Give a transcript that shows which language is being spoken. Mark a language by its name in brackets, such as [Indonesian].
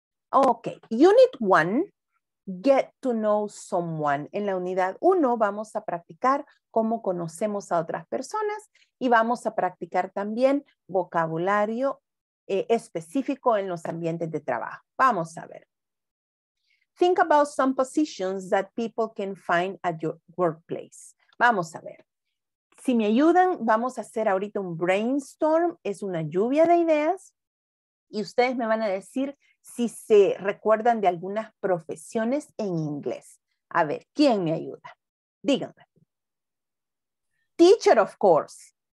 [English] Ok, Unit 1, get to know someone. [Spanish] En la unidad 1 vamos a practicar cómo conocemos a otras personas y vamos a practicar también vocabulario específico en los ambientes de trabajo. Vamos a ver. [English] Think about some positions that people can find at your workplace. [Spanish] Vamos a ver. Si me ayudan, vamos a hacer ahorita un brainstorm. Es una lluvia de ideas. Y ustedes me van a decir si se recuerdan de algunas profesiones en inglés. A ver, ¿quién me ayuda? Díganme. [English] Teacher, of course.